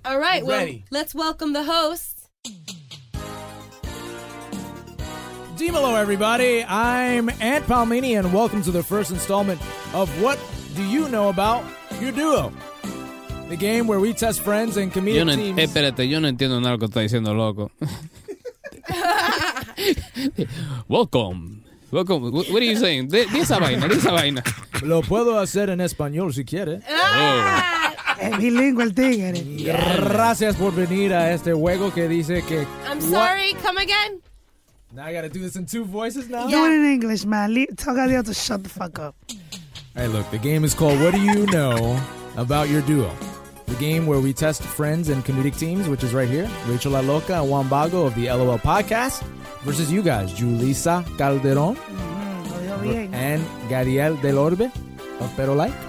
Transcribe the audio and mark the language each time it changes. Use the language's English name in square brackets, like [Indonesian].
[English] All right. We're ready. Well, let's welcome the host. Dimelo, everybody. I'm Ant Palmini, and welcome to the first installment of What Do You Know About Your Duo? The game where we test friends and comedic teams. [Spanish] Espérate, yo no entiendo nada lo que está diciendo, loco. [English] Welcome. Welcome. What are you saying? [Spanish] Di esa vaina. Lo puedo hacer en español si quiere. Es bilingüe el tigre. Gracias por venir a este juego que dice que... [English] I'm sorry. What? Come again? Now I got to do this in two voices now? Yeah. Do it in English, man. Tell Gadiel to shut the fuck up. Hey, look. The game is called What Do You Know About Your Duo? The game where we test friends and comedic teams, which is right here. Rachel La Loca and Juan Bago of the LOL Podcast versus you guys, Julissa Calderon and Gadiel Del Orbe of Pero Like.